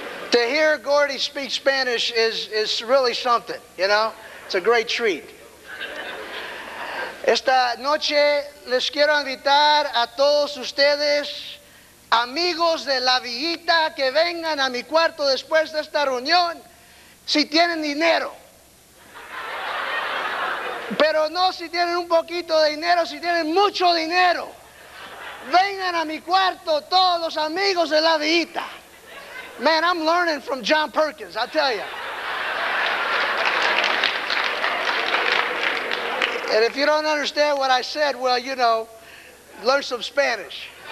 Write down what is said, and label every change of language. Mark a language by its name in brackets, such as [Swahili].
[English] To hear Gordy speak Spanish is really something, you know? It's a great treat. [Spanish] Esta noche les quiero invitar a todos ustedes, amigos de la villita, que vengan a mi cuarto después de esta reunión, si tienen dinero. Pero no si tienen un poquito de dinero, si tienen mucho dinero. Vengan a mi cuarto todos los amigos de la villita. [English] Man, I'm learning from John Perkins, I tell you. And if you don't understand what I said, well, you know, learn some Spanish.